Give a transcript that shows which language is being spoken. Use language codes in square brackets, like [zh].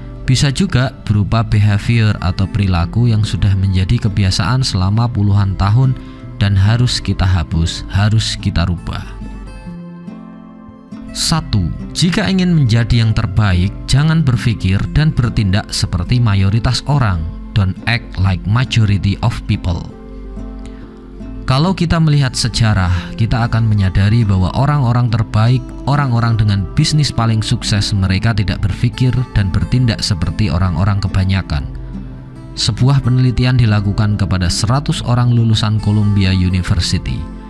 [id] Bisa juga berupa behavior atau perilaku yang sudah menjadi kebiasaan selama puluhan tahun dan harus kita hapus, harus kita rubah. 1. Jika ingin menjadi yang terbaik, jangan berpikir dan bertindak seperti mayoritas orang. [en] Don't act like majority of people. [id] Kalau kita melihat sejarah, kita akan menyadari bahwa orang-orang terbaik, orang-orang dengan bisnis paling sukses, mereka tidak berpikir dan bertindak seperti orang-orang kebanyakan. Sebuah penelitian dilakukan kepada 100 orang lulusan Columbia University.